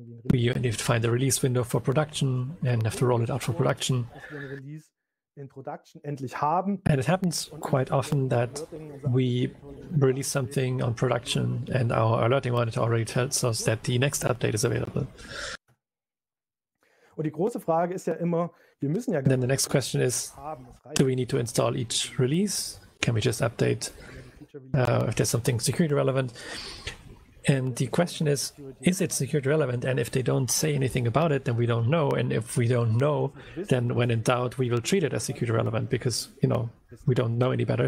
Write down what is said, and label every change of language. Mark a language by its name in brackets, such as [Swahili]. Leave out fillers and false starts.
[English] We have to find the release window for production and have to roll it out for production. And it happens quite often that we release something on production and our alerting monitor already tells us that the next update is available. [German] Und die große Frage ist ja immer, wir müssen ja. [English] Then the next question is, do we need to install each release? Can we just update if there's something security relevant? And the question is it security relevant? And if they don't say anything about it, then we don't know. And if we don't know, then when in doubt, we will treat it as security relevant because, you know, we don't know any better.